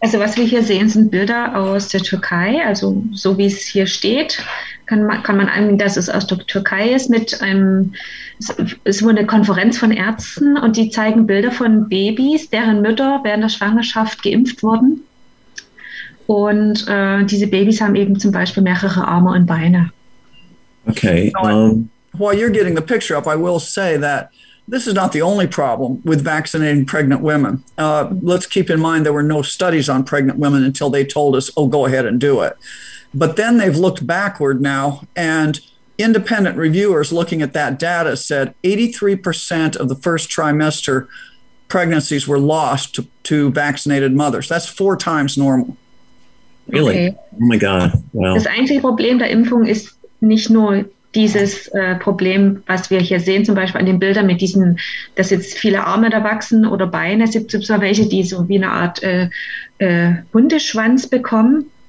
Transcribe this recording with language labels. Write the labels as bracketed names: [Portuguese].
[German] Also was wir hier sehen, sind Bilder aus der Türkei. Also so wie es hier steht, kann man annehmen, dass es aus der Türkei ist mit einem, es wurde eine Konferenz von Ärzten und die zeigen Bilder von Babys, deren Mütter während der Schwangerschaft geimpft wurden. Und diese Babys haben eben zum Beispiel mehrere Arme und Beine. [English] Okay. While you're getting the picture up, I will say that this is not the only problem with vaccinating pregnant women. Let's keep in mind there were no studies on pregnant women until they told us, oh, go ahead and do it. But then they've looked backward now, and independent reviewers looking at that data said 83% of the first trimester pregnancies were lost to vaccinated mothers. That's four times normal. Really? Okay. Oh my God. Wow. [German] Das einzige Problem der Impfung ist nicht nur dieses Problem, was wir hier sehen, zum Beispiel an den Bildern mit diesen, dass jetzt viele Arme da wachsen oder Beine. Es gibt sogar welche, die so wie eine Art Hundeschwanz bekommen.